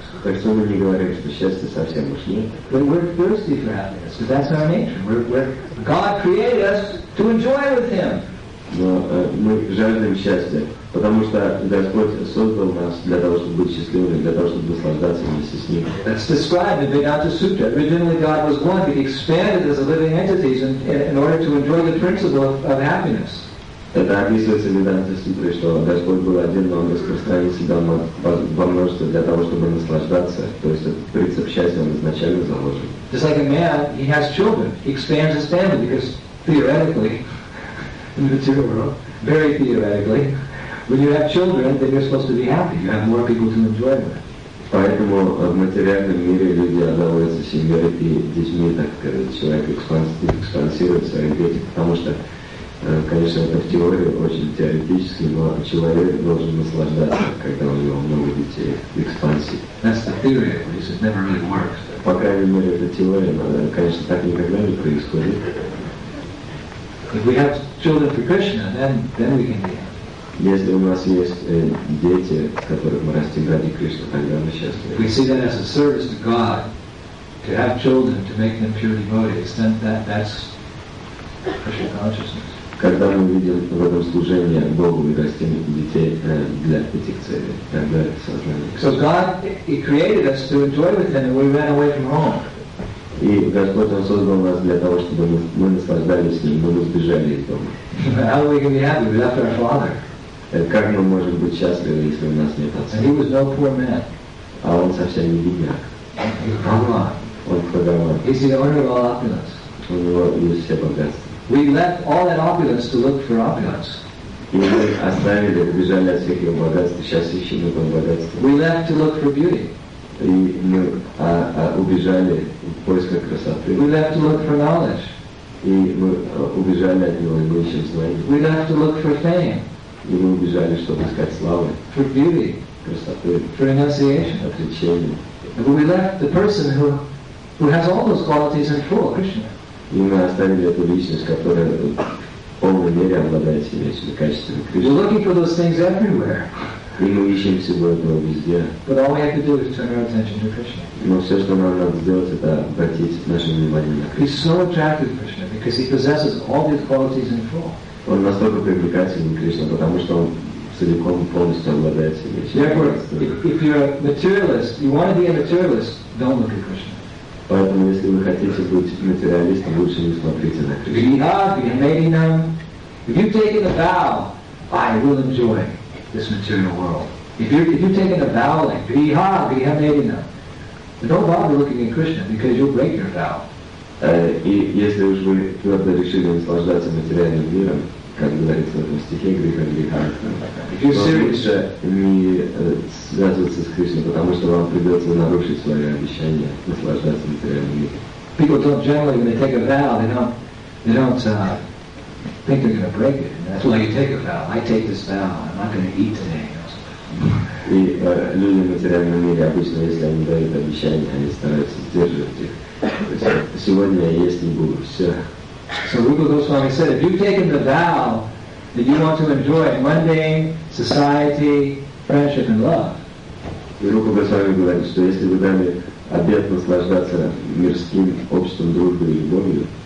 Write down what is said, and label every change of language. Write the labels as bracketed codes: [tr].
[ru] Так что мы не говорим, что счастья совсем уж нет. [en] But we're thirsty for happiness, because that's our nature. We're God created us to enjoy with Him. [ru] Но мы жаждем счастья, потому что Господь создал нас для того, чтобы быть счастливыми, для того, чтобы наслаждаться вместе с Ним. [en] That's described in the Vedanta Sutra. Originally God was one, but He expanded as a living entity in order to enjoy the principle of happiness. [ru] Это описывается в Веданте Сутре, что Господь был один, но Он распространил себя во множество для того, чтобы наслаждаться. То есть этот принцип счастья Он изначально заложен. [en] Just like a man, he has children. He expands his family because theoretically, in the material world, very theoretically, when you have children, then you're supposed to be happy. You have more people to enjoy with. [ru] Поэтому в материальном мире люди одалуются семьей и детьми, так сказать, человек экспансирует своих детей, потому что, конечно, это в теории очень теоретически, но человек должен наслаждаться, когда у него много детей, экспансии. [en] That's the theory, at least. It never really works. [ru] По крайней мере, это теория, но, конечно, так никогда не происходит. [en] If we have children for Krishna, then we can be happy. [ru] Если у нас есть дети, которых мы растим ради Кришны, тогда мы счастливы. [en] We see that as a service to God, to have children, to make them pure devotees, then that's Krishna consciousness. [ru] Когда мы видим в этом служении Богу и растим детей для этих целей, тогда это сознание. [en] So God, He created us to enjoy with Him, and we ran away from home. [ru] И Господь Он создал нас для того, чтобы мы наслаждались с Ним, мы сбежали из дома. [en] How we can be happy without our father? [ru] Как мы можем быть счастливы, если у нас нет отца? [en] And he was no poor man. [ru] А он совсем не бедняк. [en] He was Bhagavan. [ru] Он Бхагаван. [en] He's the owner of all opulence. [ru] У него есть все богатства. [en] We left all that opulence to look for opulence. [ru] И мы оставили, убежали от всех его богатств, сейчас ищем его богатства. [en] We left to look for beauty. [ru] И мы убежали в поисках красоты. [en] We left to look for knowledge. [ru] И мы убежали от него, и мы ищем знания. [en] We left to look for fame. [ru] И мы убежали, чтобы искать славы. [en] For beauty. [ru] Красоты. [en] For renunciation. [ru] Отречение. [en] But we left the person who has all those qualities in full, Krishna. [ru] И мы оставили эту личность, которая в полной мере обладает всеми этими качествами Кришны. [en] We're looking for those things everywhere. [ru] И мы ищем всего этого везде. [en] But all we have to do is turn our attention to Krishna. [ru] Но все, что нам надо сделать, это обратить наше внимание на Кришну. [en] He's so attractive to Krishna because he possesses all these qualities in full. [ru] Он настолько привлекательный Кришна, потому что он целиком и полностью обладает всеми этими качествами. [en] Therefore, if you're a materialist, you want to be a materialist, don't look at Krishna. [ru] Поэтому, если вы хотите быть материалистом, лучше не смотрите на Кришну. Vihad, maybe none. [en] If you've taken a vow, I will enjoy this material world. If you're taking a vow like Griha, Griha Medina, don't bother looking at Krishna because you'll break your vow. [ru] Если уж вы твердо решили наслаждаться материальным миром, как говорится в этом стихе, Гриха Гриха, [en] if you're serious, [ru] лучше не связываться с Кришной, потому что вам придется нарушить свое обещание наслаждаться материальным миром. [en] People don't generally, when they take a vow, they don't think they're going to break it. That's why you take a vow. I take this vow. I'm not going to eat today. [ru] И люди в материальном мире обычно, если они дают обещания, они стараются сдерживать их. Сегодня я есть не буду. Все. [en] So Rupa Goswami said, if you've taken the vow that you want to enjoy mundane society, friendship and love. [ru] И Рупа Госвами говорит, что если вы дали обет наслаждаться мирским обществом, дружбой и любовью,